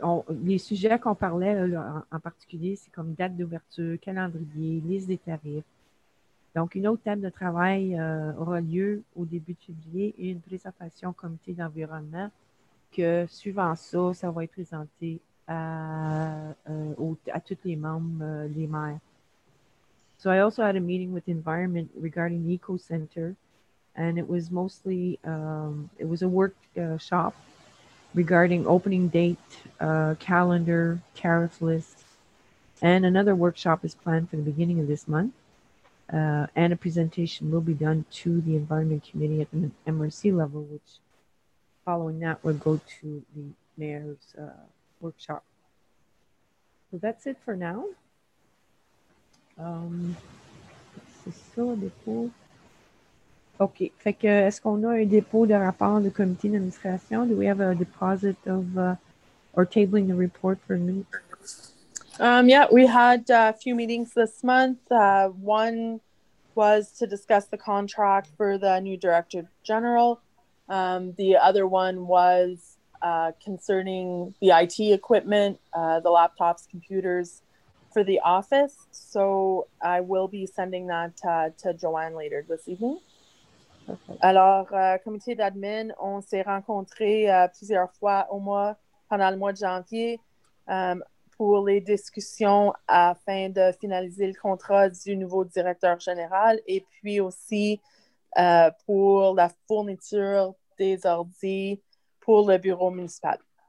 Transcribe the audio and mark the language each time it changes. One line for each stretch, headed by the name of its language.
French: Les sujets qu'on parlait là, en particulier, c'est comme date d'ouverture, calendrier, liste des tarifs. Donc, une autre table de travail aura lieu au début de février et une présentation au comité d'environnement que, suivant ça, ça va être présenté à tous les membres, les maires.
English: So, I also had a meeting with Environment regarding the Eco Center, and it was mostly, it was a workshop regarding opening date, calendar, tariff list, and another workshop is planned for the beginning of this month. And a presentation will be done to the Environment Committee at the MRC level, which following that will go to the mayor's workshop. So that's it for now.
French: C'est ça, dépôt.
English: OK.
French: Fait que, est-ce qu'on a un dépôt de rapport du comité d'administration?
English: Do we have a deposit of, or tabling the report for a minute? Yeah, we had a few meetings this month. One was to discuss the contract for the new director general. The other one was concerning the IT equipment, the laptops, computers for the office. So I will be sending that to Joanne later this evening. Perfect.
French: Alors, comité d'admin, on s'est rencontrés plusieurs fois au mois pendant le mois de janvier pour les discussions afin de finaliser le contrat du nouveau directeur général et puis aussi pour la fourniture des ordi pour le bureau municipal.